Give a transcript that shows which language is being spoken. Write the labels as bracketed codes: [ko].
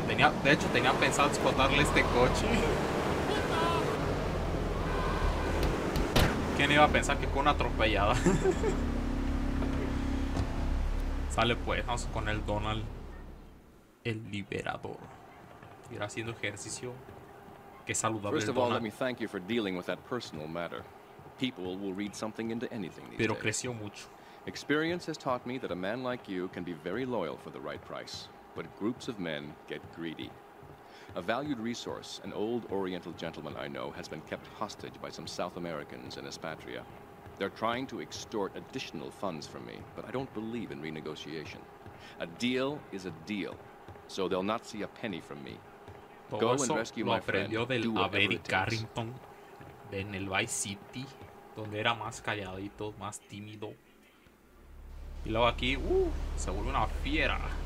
[es] De hecho tenía pensado explotarle este coche. ¿Quién iba a pensar que fue una atropellada? Sale pues, vamos con el Donald, el liberador. Ir haciendo ejercicio. Qué saludable. [en] First of all, let me thank you for dealing with that personal matter. People will read something into anything these [es] Pero creció mucho. [en] Experience has taught me that a man like you can be very loyal for the right price, but groups of men get greedy. A valued resource, an old Oriental gentleman I know, has been kept hostage by some South Americans in Espatria. They're trying to extort additional funds from me, but I don't believe in renegotiation. A deal is a deal, so they'll not see a penny from me. Todo Go and rescue my friend. Do whatever it Carrington. Takes. [es] En el Vice City, donde era más calladito, más tímido. Y luego aquí, se vuelve una fiera.